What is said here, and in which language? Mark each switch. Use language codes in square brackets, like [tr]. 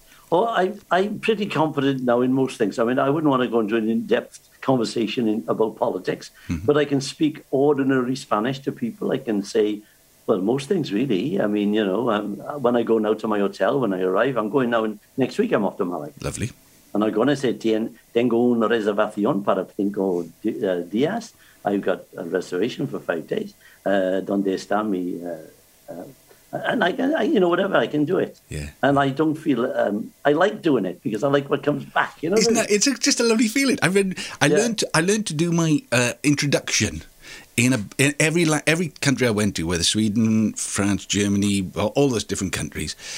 [en] Oh, I'm pretty confident now in most things. I mean, I wouldn't want to go into an in-depth conversation about politics, but I can speak ordinary Spanish to people. I can say, well, most things really. I mean, you know, when I go now to my hotel, when I arrive, I'm going now, and next week I'm off to Malaga. Lovely. And I'm going to say, [es] tengo una reservación para 5 días. [en] I've got a reservation for 5 days. [es] ¿Dónde está mi... [en] And I, you know, whatever, I can do it. Yeah. And I don't feel, I like doing it because I like what comes back, you know? It's just a lovely feeling. I learned to do my introduction in every country I went to, whether Sweden, France, Germany, all those different countries.